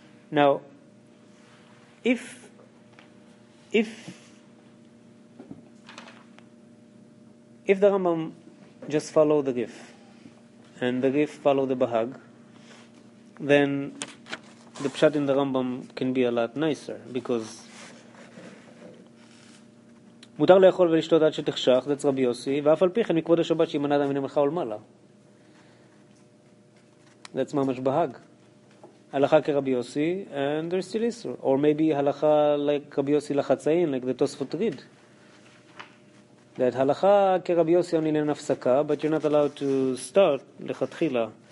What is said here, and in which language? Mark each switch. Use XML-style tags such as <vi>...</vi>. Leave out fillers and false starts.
<en>Now, if the Rambam just follow the Gif, and the Gif follow the bahag, then the pshat in the Rambam can be a lot nicer, because</en> <he>מותר לאכול ולשתות עד שתחשך, זה רבי יוסי, ואף על פי כן מכבוד השבת שימנע אדם מן המלאכה ולמעלה.</he> <en>That's ממש בהג.</en> <he>הלכה כרבי יוסי,</he> <en>and there's still Isser. Or maybe הלכה like</en> <he>רבי יוסי לחצאין,</he> <en>like the Tosfot Rid. That</en> <he>הלכה כרבי יוסי</he> <en>only in הפסקה, but you're not allowed to start לכתחילה.</en>